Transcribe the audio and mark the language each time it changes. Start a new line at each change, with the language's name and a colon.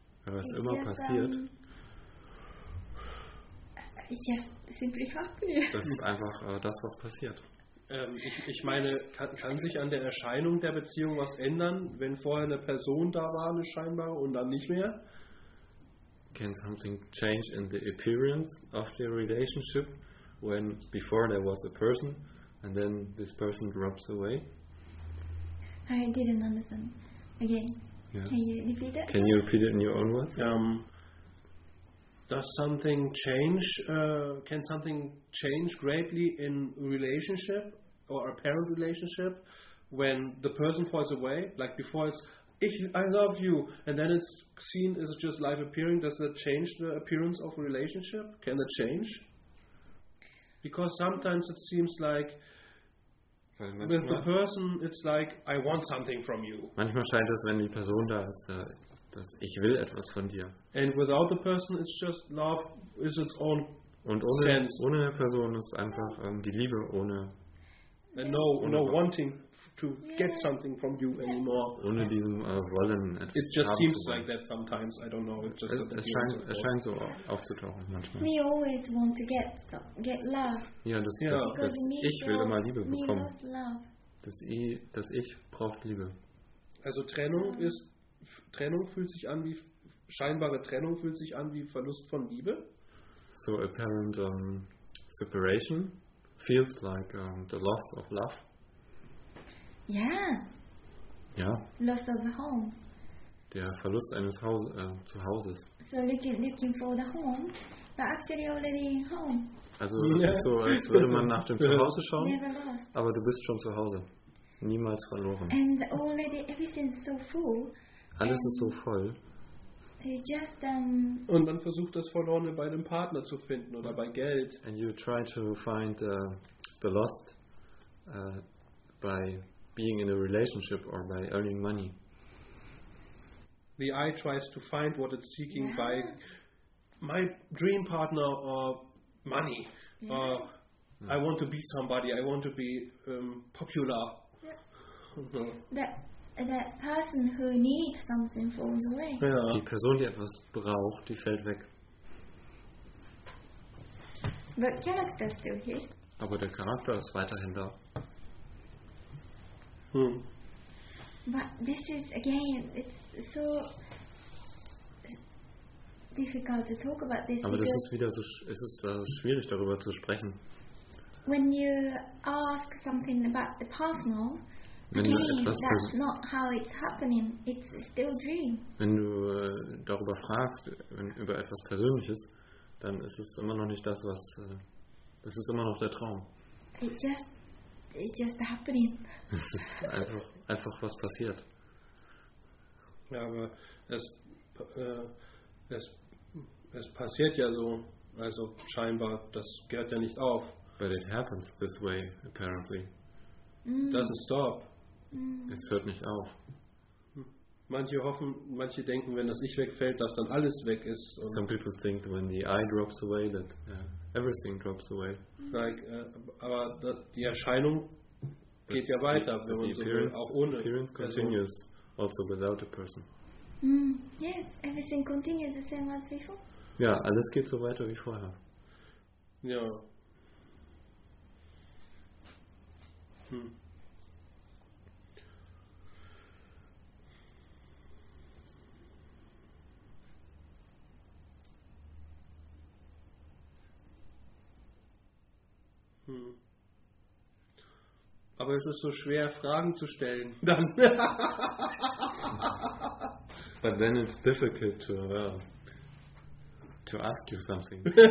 German: was immer just, passiert.
English: It's just simply happening.
German: Das ist einfach das, was passiert. Ich meine, kann sich an der Erscheinung der Beziehung was ändern, wenn vorher eine Person da war, eine scheinbare, und dann nicht mehr?
English: Can something change in the appearance of the relationship when before there was a person and then this person drops away? I didn't understand. Again, can you repeat it? Can you repeat it in your own words? Does something change? Can something change greatly in relationship or apparent relationship when the person falls away? Like before, it's I love you, and then it's seen as just life appearing. Does that change the appearance of a relationship? Can that change? Because sometimes it seems like with the person, it's like I want something from you.
German: Manchmal scheint es, wenn die Person da ist. Das, ich will etwas von dir.
English: And without the person, it's just love is its own.
German: Und ohne eine Person ist einfach die Liebe ohne.
English: And no wanting to get something from you anymore.
German: Ohne diesem Wollen etwas.
English: It just seems like that sometimes. I don't know. It just
German: scheint so aufzutauchen manchmal.
English: We always want to get love.
German: Ja, das ich will immer Liebe bekommen.
English: Love.
German: Das ich braucht Liebe. Also Trennung ist. Trennung fühlt sich an wie scheinbare Trennung fühlt sich an wie Verlust von Liebe.
English: So apparent separation feels like the loss of love. Yeah.
German: Ja.
English: Loss of a home.
German: Der Verlust eines Zuhauses.
English: So looking for the home, but actually already home.
German: Also es ist so, als würde man nach dem Zuhause schauen, aber du bist schon zu Hause. Niemals verloren.
English: And already everything's so full.
German: Alles ist so voll. Und man versucht das Verlorene bei einem Partner zu finden oder bei Geld.
English: And you try to find the lost by being in a relationship or by earning money. The eye tries to find what it's seeking by my dream partner or money. Yeah. I want to be somebody. I want to be popular. That person who needs something falls away. Yeah.
German: Die Person, die etwas braucht, die fällt weg.
English: The character is still here.
German: Aber der Charakter ist weiterhin da.
English: But this is again, it's so difficult to talk about this.
German: Aber das ist wieder so, es ist schwierig darüber zu sprechen.
English: When you ask something about the personal.
German: Wenn du darüber fragst, über etwas Persönliches, dann ist es immer noch nicht das, was es ist immer noch der Traum.
English: It's just happening.
German: Es ist einfach was passiert. Ja, aber es passiert ja so, also scheinbar, das gehört ja nicht auf.
English: But it happens this way, apparently. Doesn't stop.
German: Es hört nicht auf. Manche denken, wenn das Ich wegfällt, dass dann alles weg ist. Und
English: some people think when the eye drops away, that everything drops away. Like,
German: aber die Erscheinung geht ja weiter, wenn man so will, auch ohne.
English: Appearance continues also without a person. Yes, everything continues the same as before.
German: Ja, alles geht so weiter wie vorher. Ja. Aber es ist so schwer, Fragen zu stellen. Dann.
English: But then it's difficult to ask you something.